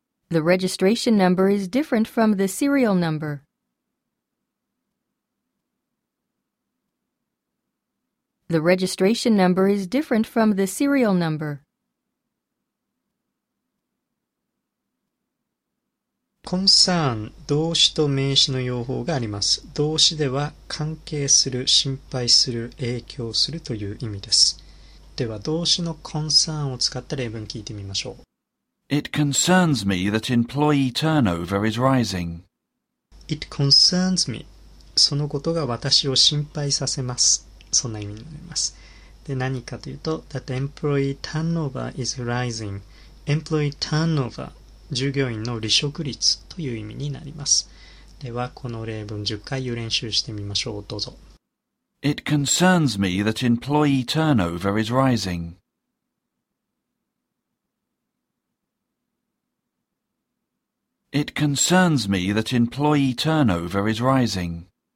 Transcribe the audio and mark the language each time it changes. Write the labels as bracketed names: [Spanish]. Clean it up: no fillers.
[English] The registration number is different from the serial number. The registration number is different from the serial number. [Japanese] 根産動詞と名詞の用法があります。動詞では関係する、心配する、影響するという意味です。では動詞の根産を使った例文聞いてみましょう。 [English] It concerns me that employee turnover is rising. It concerns me. [Japanese] そのことが私を心配させます。そんな意味になります。で、何かというと、 [English] that employee turnover is rising. Employee turnover、 [Japanese] 従業員の離職率という意味になります。では、この例文10回練習してみましょう。どうぞ。 [English] It concerns me that employee turnover is rising. It concerns me that employee turnover is rising.